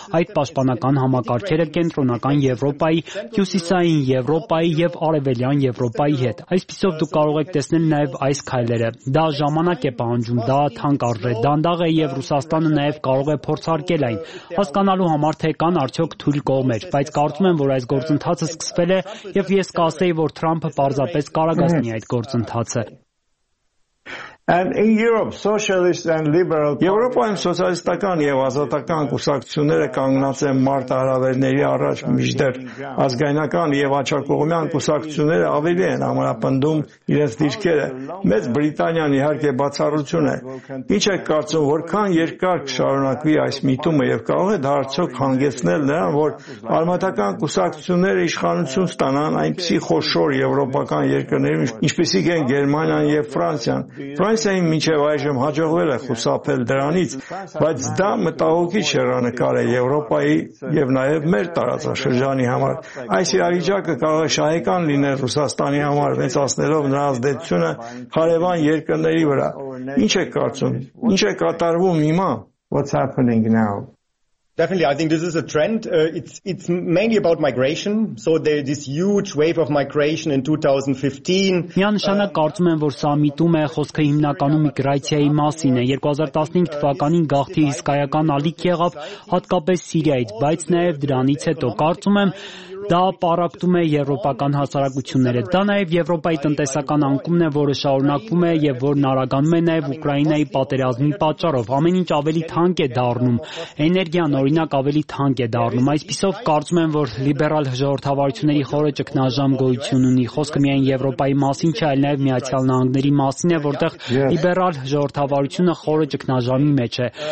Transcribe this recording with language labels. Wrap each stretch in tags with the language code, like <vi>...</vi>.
<hy>այդ պաշտպանական համակարգերը կենտրոնական Եվրոպայի, հյուսիսային Եվրոպայի եւ արևելյան Եվրոպայի հետ։ Այսպիսով դուք կարող եք տեսնել նաեւ այս քայլերը։ Դա ժամանակ է պահանջում, դա թանկարժե դանդաղ է եւ Ռուսաստանը նաեւ կարող է փորձարկել այն, հասկանալու համար, թե կան արդյոք թույլ կողմեր, բայց կարծում եմ, որ այս գործընթացը սկսվել է եւ ես կասեի, որ Թրամփը պարզապես կարագացնի այդ գործընթացը։</hy> <en>And in Europe, socialists and liberal parties.</en> <hy>Եվրոպայում սոցիալիստական եւ ազատական կուսակցությունները կանգնած են մարդ արավելների առաջ միջդեռ։ Ազգայնական եւ աչակողմյան կուսակցությունները ավելի են համարապնդում իրենց դիրքերը։ Մեծ Բրիտանիան իհարկե բացառություն է։ Ինչ եք կարծում, որքան երկար կշարունակվի այս միտումը եւ կարող է դարձյոք հանգեցնել նրան, որ արմատական կուսակցությունները իշխանություն ստանան այնպիսի խոշոր եվրոպական երկրներում, ինչպիսիք են Գերմանիան եւ Ֆրանսիան։ Ֆրանսիան մինչև այժմ հաջողվել է խուսափել դրանից, բայց դա մտահոգիչ հեռանկար է Եվրոպայի եւ նաեւ մեր տարածաշրջանի համար։ Այս իրավիճակը կարող է շահեկան լինել Ռուսաստանի համար, վերցնելով նրա ազդեցությունը հարևան երկրների վրա։ Ինչ է կարծում, ինչ է կատարվում հիմա,</hy> <en>what's happening now? Definitely, I think this is a trend. It's mainly about migration. So there this huge wave of migration in 2015.</en> <hy>Միան նշանակ կարծում եմ, որ սա միտում է, խոսքը հիմնականում միգրացիայի մասին է։ 2015 թվականին գաղթի հսկայական ալիք եղավ, հատկապես Սիրիայից, բայց նաև դրանից հետո կարծում եմ, դա պարակտում է եվրոպական հասարակությունները։ Դա նաև Եվրոպայի տնտեսական անկումն է, որը շարունակվում է եւ որն արագանում է նաև Ուկրաինայի պատերազմի պատճառով։ Ամեն ինչ ավելի թանկ է դառնում, էներգիան օրինակ ավելի թանկ է դառնում։ Այսպիսով կարծում եմ, որ լիբերալ ժողովրդավարությունների խորը ճգնաժամ գոյություն ունի։ Խոսքը միայն Եվրոպայի մասին չէ, այլ նաև Միացյալ Նահանգների մասին է, որտեղ լիբերալ ժողովրդավարությունը խորը ճգնաժամի մեջ է։</hy>